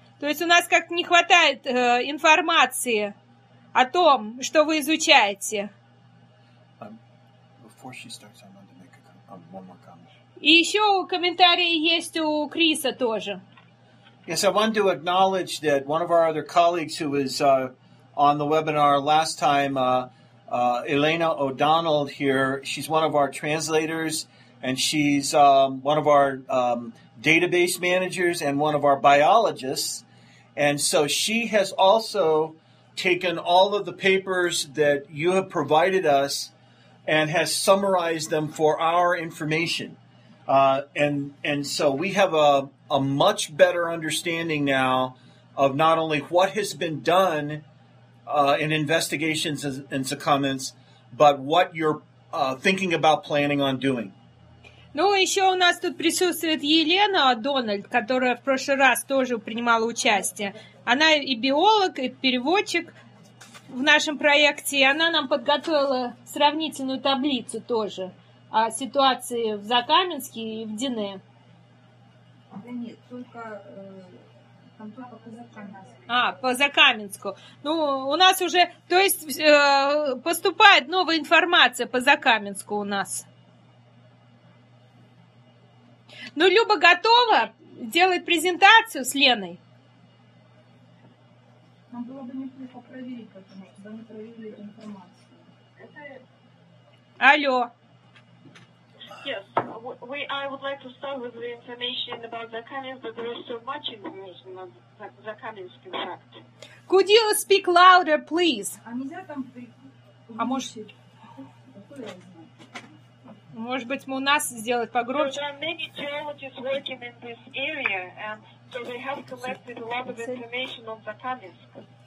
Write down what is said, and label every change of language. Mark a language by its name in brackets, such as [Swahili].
[Russian] То есть у нас как-то не хватает информации о том, что вы изучаете. И еще комментарии есть у Криса тоже. [English] Yes, I want to acknowledge that one of our other colleagues who was on the webinar last time, Elena O'Donnell here, she's one of our translators, and she's one of our database managers and one of our biologists. And so she has also taken all of the papers that you have provided us and has summarized them for our information. And so we have a much better understanding now of not only what has been done in investigations and in comments, but what you're thinking about planning on doing. [Russian] Ну, еще у нас тут присутствует Елена Дональд, которая в прошлый раз тоже принимала участие. Она и биолог, и переводчик в нашем проекте, и она нам подготовила сравнительную таблицу тоже о ситуации в Закаменске и в Диné. Да нет, только контроль по Закаменску. А, по Закаменску. Ну, у нас уже, то есть поступает новая информация по Закаменску у нас. Ну, Люба готова делать презентацию с Леной? Нам было бы неплохо проверить, потому что мы проверили информацию. Это... Алло. [English] Yes, I would like to start with the information about Закаменск, but there is so much information about Закаменск, in fact. Could you speak louder, please? [Russian] А нельзя там... А может... Может быть, у нас сделать погромче. [English] There are many geologists working in this area, and so they have collected a lot of information on Закаменск.